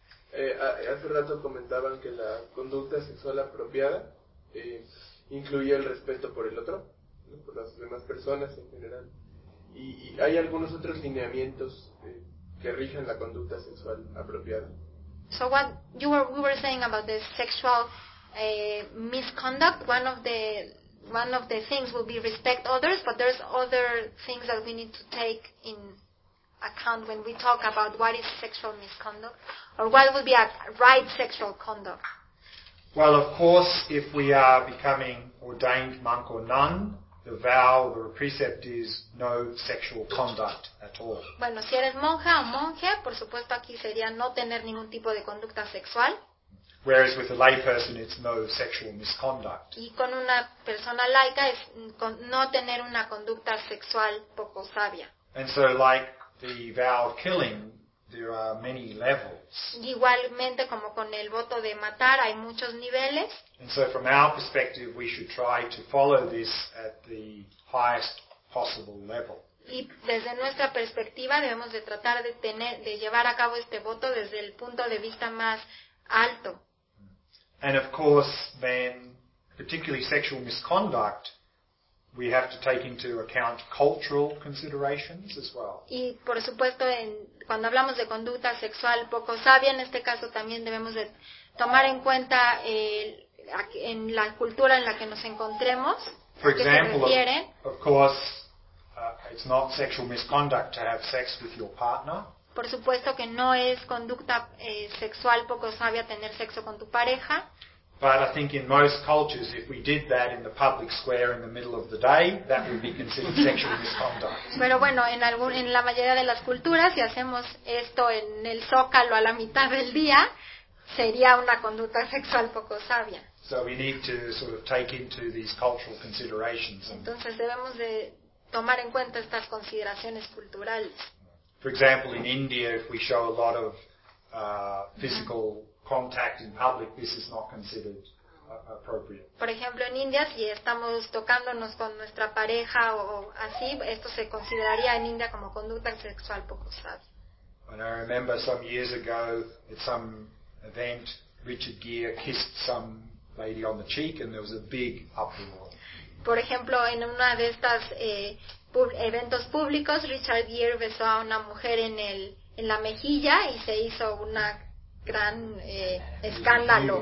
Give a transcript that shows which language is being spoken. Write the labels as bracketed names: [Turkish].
[Spanish] Hace rato comentaban que la conducta sexual apropiada incluye el respeto por el otro, ¿no? Por las demás personas en general. ¿Y hay algunos otros lineamientos que rigen la conducta sexual apropiada? [English] So what we were saying about the sexual misconduct, one of the things will be respect others, but there's other things that we need to take in account when we talk about what is sexual misconduct or what will be a right sexual conduct. Well, of course, if we are becoming ordained monk or nun, the vow or the precept is no sexual conduct at all. [Spanish] Bueno, si eres monja o monje, por supuesto aquí sería no tener ningún tipo de conducta sexual. [English] Whereas with a lay person, it's no sexual misconduct. [Spanish] Y con una persona laica es no tener una conducta sexual poco sabia. [English] And so, like the vow of killing, there are many levels. [Spanish] Igualmente como con el voto de matar, hay muchos niveles. [English] And so, from our perspective, we should try to follow this at the highest possible level. [Spanish] Y desde nuestra perspectiva, debemos de tratar de llevar a cabo este voto desde el punto de vista más alto. [English] And of course, then, particularly sexual misconduct, we have to take into account cultural considerations as well. [Spanish] Y por supuesto, cuando hablamos de conducta sexual poco sabia, en este caso también debemos de tomar en cuenta en la cultura en la que nos encontremos. [English] For example, of course, it's not sexual misconduct to have sex with your partner. [Spanish] Por supuesto que no es conducta sexual poco sabia tener sexo con tu pareja. [English] But I think in most cultures, if we did that in the public square in the middle of the day, that would be considered sexual misconduct. [Spanish] Pero bueno, en la mayoría de las culturas, si hacemos esto en el zócalo a la mitad del día, sería una conducta sexual poco sabia. [English] So we need to sort of take into these cultural considerations. [Spanish] Entonces debemos de tomar en cuenta estas consideraciones culturales. [English] For example, in India, if we show a lot of physical contact in public, this is not considered appropriate. [Spanish] Por ejemplo, en India, si estamos tocándonos con nuestra pareja o así, esto se consideraría en India como conducta sexual poco sabia. [English] And I remember some years ago, at some event, Richard Gere kissed some lady on the cheek and there was a big uproar. [Spanish] Por ejemplo, en una de estas eventos públicos, Richard Gere besó a una mujer en la mejilla y se hizo un gran escándalo.